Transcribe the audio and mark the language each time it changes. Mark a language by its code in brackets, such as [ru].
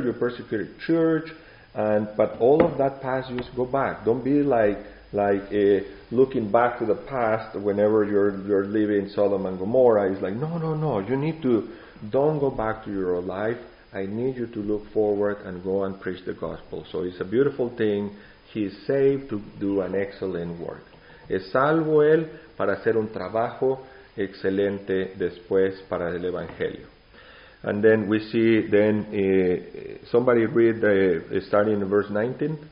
[en] You persecuted church. But all of that past, just go back. Don't be like looking back to the past whenever you're living Sodom and Gomorrah. It's like, no. You need to, don't go back to your old life. I need you to look forward and go and preach the gospel. So it's a beautiful thing. He is saved to do an excellent work. [es] Es salvo él para hacer un trabajo excelente después para el evangelio. [en] And then we see, then, somebody read the starting in verse 19.